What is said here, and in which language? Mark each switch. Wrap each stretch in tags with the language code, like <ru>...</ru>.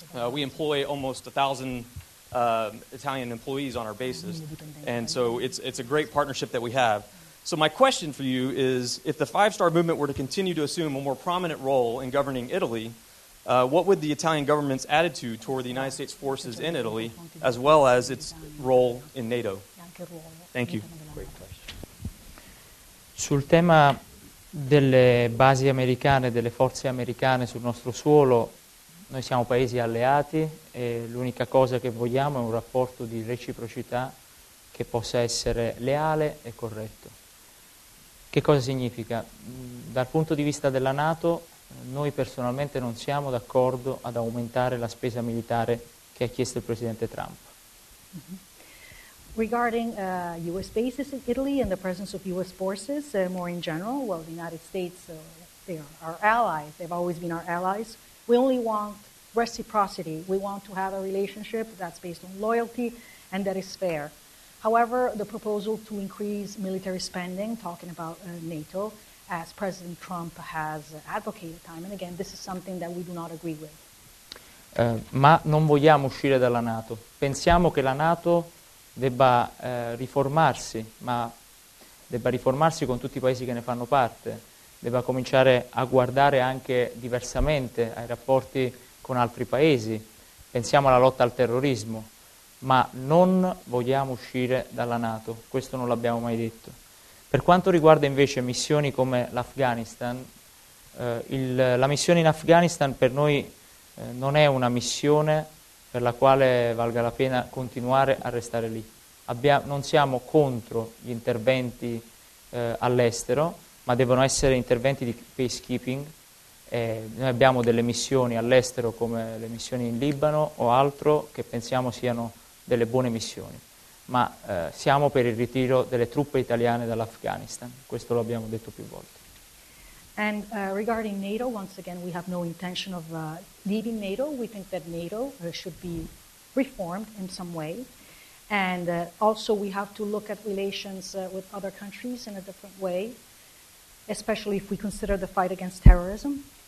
<en>We employ almost 1,000 Italian employees on our bases, and so it's a great partnership that we have. So my question for you is, if the Five Star Movement were to continue to assume a more prominent role in governing Italy, what would the Italian government's attitude toward the United States forces in Italy, as well as its role in NATO? Thank you. Great question.</en> <it>Sul tema delle basi americane, delle forze americane sul nostro suolo, noi siamo paesi alleati e l'unica cosa che vogliamo è un rapporto di reciprocità che possa essere leale e corretto. Che cosa significa? Dal punto di vista della NATO, noi personalmente non siamo d'accordo ad aumentare la spesa militare che ha chiesto il presidente Trump.</it> <en>Mm-hmm. Regarding U.S. bases in Italy and the presence of U.S. forces, more in general, well, the United States, they are our allies. They've always been our allies. We only want reciprocity. We want to have a relationship that's based on loyalty and that is fair. However, the proposal to increase military spending, talking about NATO, as President Trump has advocated time and again, this is something that we do not agree with.</en> <it>Ma non vogliamo uscire dalla NATO. Pensiamo che la NATO debba riformarsi, ma debba riformarsi con tutti i paesi che ne fanno parte. Debba cominciare a guardare anche diversamente ai rapporti con altri paesi. Pensiamo alla lotta al terrorismo. Ma non vogliamo uscire dalla NATO, questo non l'abbiamo mai detto. Per quanto riguarda invece missioni come l'Afghanistan, la missione in Afghanistan per noi non è una missione per la quale valga la pena continuare a restare lì. Non siamo contro gli interventi all'estero, ma devono essere interventi di peacekeeping. Noi abbiamo delle missioni all'estero come le missioni in Libano o altro che pensiamo siano delle buone missioni, ma siamo per il ritiro delle truppe italiane dall'Afghanistan, questo lo abbiamo detto più volte.</it> <en>And regarding NATO, once again, we have no intention of leaving NATO. We think that NATO should be reformed in some way, and also we have to look at relations with other countries in a different way, especially if we consider the fight against terrorism.</en>